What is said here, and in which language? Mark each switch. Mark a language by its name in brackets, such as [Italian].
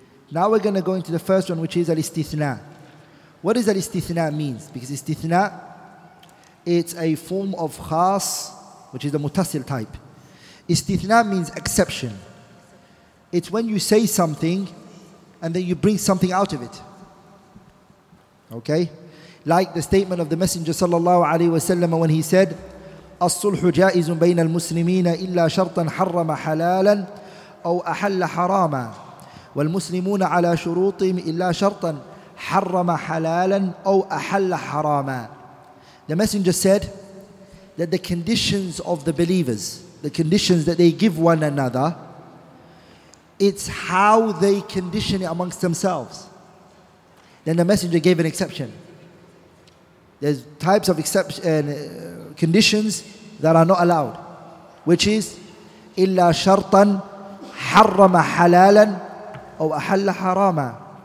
[English] Now we're going to go into the first one, which is al-istithna. What does al-istithna mean? Because istithna, it's a form of khas, which is the mutasil type. Istithna means exception. It's when you say something and then you bring something out of it. Okay? Like the statement of the Messenger sallallahu alayhi wa sallam when he said, [Arabic] الصلح جائز بين المسلمين إلا شرطا حرم حلالا أو أحل حراما والمسلمون على شروطهم إلا شرطا حرم حلالا أو أحل حراما. [English] The Messenger said that the conditions of the believers, the conditions that they give one another, it's how they condition it amongst themselves. Then the Messenger gave an exception. There's types of exception, conditions that are not allowed, which is [Arabic] illa shartan harrama halalan aw ahalla harama.